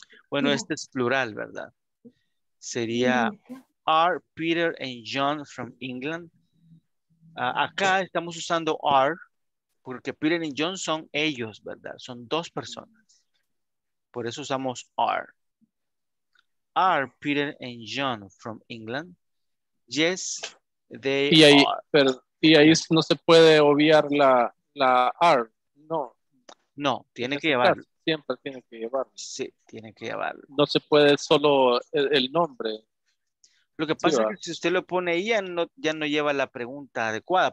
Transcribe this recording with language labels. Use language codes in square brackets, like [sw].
[es] Bueno, este es plural, ¿verdad? Sería... [en] Are Peter and John from England? [es] Acá estamos usando are porque Peter y John son ellos, ¿verdad? Son dos personas. Por eso usamos are. [en] Are Peter and John from England? Yes, they [es] y ahí, [en] are. [es] Pero, Y ahí no se puede obviar la R, no. No, tiene que llevarlo. Siempre tiene que llevarlo. Sí, tiene que llevarlo. No se puede solo el nombre. Lo que pasa es que si usted lo pone ahí, ya no lleva la pregunta adecuada.